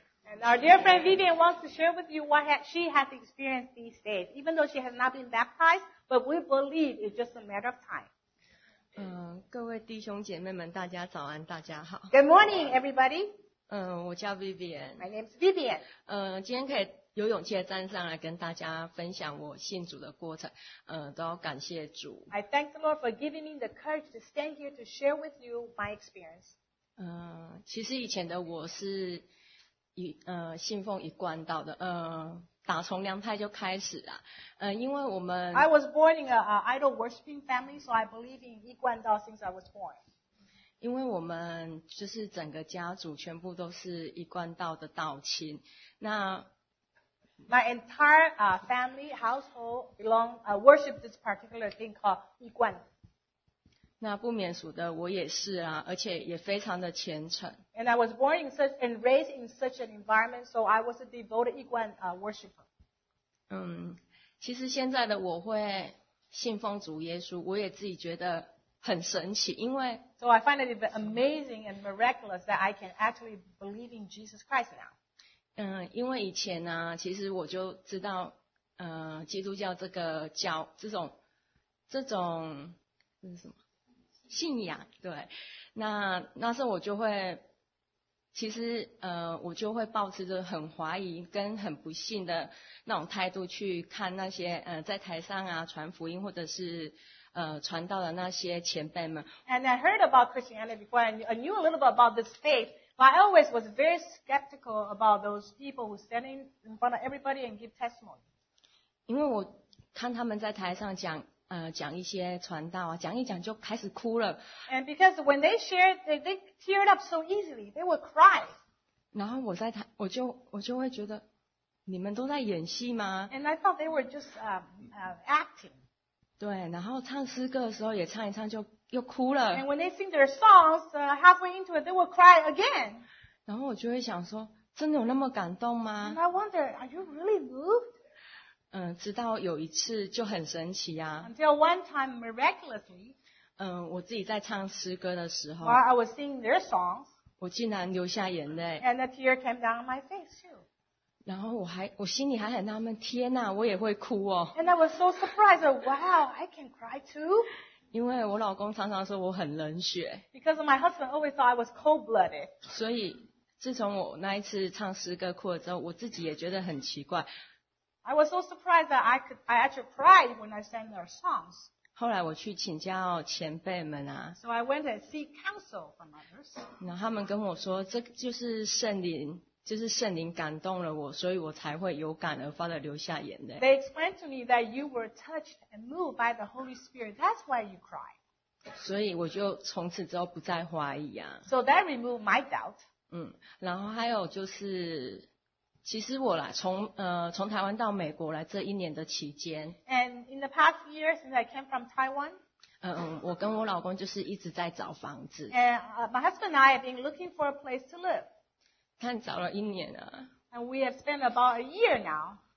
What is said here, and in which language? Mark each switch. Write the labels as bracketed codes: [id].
[en] And our dear friend Vivian wants to share with you what she has experienced these days, even though she has not been baptized, but we believe it's just a matter of time. [zh] 各位弟兄姐妹们，大家早安，大家好。 [en] Good morning, everybody. [zh] 我叫 Vivian. [en] My name is Vivian. [zh] 今天可以有勇气站上来跟大家分享我信主的过程，都要感谢主。 [en] I thank the Lord for giving me the courage to stand here to share with you my experience. [zh] 其实以前的我是信奉一贯道的，打从娘胎就开始啊，因为我们 [en] I was born in an idol worshiping family, so I believe in 一贯道 since I was born. [zh] 因为我们就是整个家族全部都是一贯道的道亲，那 [en] My entire family household belong worship this particular thing called 一贯道。 [zh] 那不免俗的我也是啊，而且也非常的虔诚。 [en] And I was born in such and raised in such an environment, so I was a devoted 一贯worshiper. [zh] 其实现在的我会信奉主耶稣，我也自己觉得很神奇，因为 [en] So I find it amazing and miraculous that I can actually believe in Jesus Christ now. [zh] 因为以前呢、啊，其实我就知道，基督教这个教这种这是什么？信仰，对，那时候我就会，其实我就会抱持着很怀疑跟很不信的那种态度去看那些在台上啊传福音或者是传道的那些前辈们。 [en] And I heard about Christianity before, and I knew a little bit about this faith, but I always was very skeptical about those people who stand in front of everybody and give testimony. [zh] 因为我看他们在台上讲。讲一些传道啊，讲一讲就开始哭了。 [en] And because when they shared, they teared up so easily, they would cry. [zh] 然后我就会觉得，你们都在演戏吗 [en] ？And I thought they were just acting. [zh] 对，然后唱诗歌的时候也唱一唱就又哭了。 [en] And when they sing their songs, halfway into it, they would cry again. [zh] 然后我就会想说，真的有那么感动吗 [en] ？And I wonder, are you really moved? [zh] 直到有一次就很神奇啊。 [en] Until one time miraculously, [zh] 我自己在唱诗歌的时候 [en] while I was singing their songs, [zh] 我竟然流下眼泪。 [en] And a tear came down my face too. [zh] 然后我心里还很纳闷，天哪，我也会哭哦。 [en] And I was so surprised, wow, I can cry too. [zh] 因为我老公常常说我很冷血。 [en] Because my husband always thought I was cold-blooded. [zh] 所以自从我那一次唱诗歌哭了之后，我自己也觉得很奇怪。 [en] I was so surprised that I actually cried when I sang their songs. [zh] 后来我去请教前辈们啊。 [en] So I went and seek counsel from others. [zh] 那他们跟我说，这就是圣灵感动了我，所以我才会有感而发的流下眼泪。 [en] They explained to me that you were touched and moved by the Holy Spirit. That's why you cried. [zh] 所以我就从此之后不再怀疑啊。 [en] So that removed my doubt. [zh] 然后还有就是。其实我啦，从台湾到美国来这一年的期间 [en] ，And in the past year since I came from Taiwan， [zh] 我跟我老公就是一直在找房子 [en] ，And my husband and I have been looking for a place to live。 [zh] 看，找了一年了 [en] ，And we have spent about a year now。